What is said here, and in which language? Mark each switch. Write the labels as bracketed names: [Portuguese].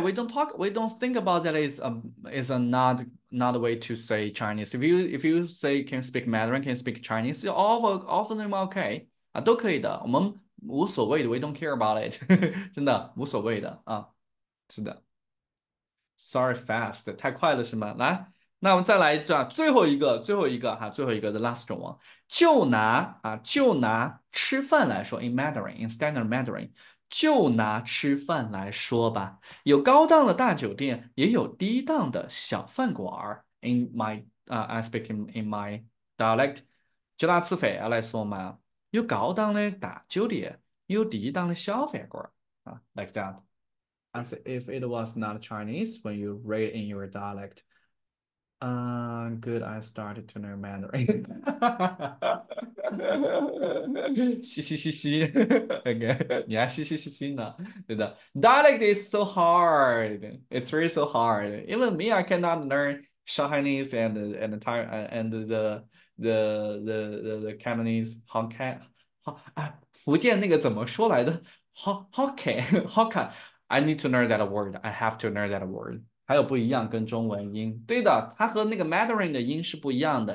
[English] We don't think about that is a not a way to say Chinese. If you say can speak Mandarin, can speak Chinese, all of them are okay. [Chinese] 都可以的，我们无所谓的。 [English] We don't care about it. [Chinese] 真的无所谓的啊。是的。 [English] Sorry, fast [Chinese] 太快了是吗？来，那我们再来一段，最后一个 [English] the last one. [Chinese] 就拿吃饭来说， [English] in Mandarin, in standard Mandarin. [Chinese] 就拿吃饭来说吧，有高档的大酒店，也有低档的小饭馆儿。 [English] I speak in my dialect， [Chinese] 就拿吃饭来说嘛，有高档的大酒店，有低档的小饭馆儿啊， [English] like that。 As if it was not Chinese when you read in your dialect. Good, I started to learn Mandarin. [Chinese] 嘻嘻嘻嘻，OK，你还嘻嘻嘻嘻呢，对的。 [English] Dialect is so hard. It's really so hard. Even me, I cannot learn Shanghainese and Thai and the Cantonese Hokkien [Chinese] 福建那个怎么说来的？ [English] Hokkien，I need to learn that word. I have to learn that word. [Chinese] 还有不一样，跟中文音，对的，它和那个 Mandarin 的音是不一样的。